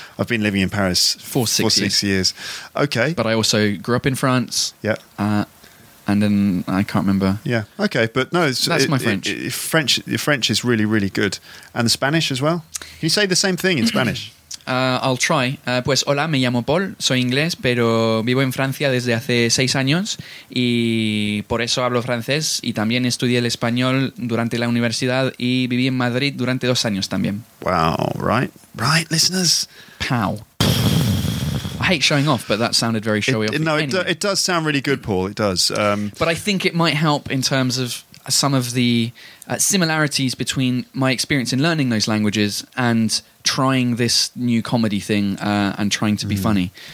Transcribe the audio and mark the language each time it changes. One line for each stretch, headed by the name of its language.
English: I've been living in Paris for six years. Okay. But I also grew up in France. Yeah. And then I can't remember. Yeah. Okay. But no, my French. French is really, really good. And the Spanish as well. Can you say the same thing in Spanish? I'll try.
Spanish: Pues hola, me llamo Paul, soy inglés, pero vivo en Francia desde hace 6 años y por eso hablo francés y también estudié el español durante la universidad y viví en Madrid durante 2 años también.
English: Wow, right? Right, listeners? Pow. I hate showing off, but that sounded very showy. It does sound really good, Paul, it does. But I think it might help in terms of some of the similarities between my experience in learning those languages and trying this new comedy thing and trying to be funny.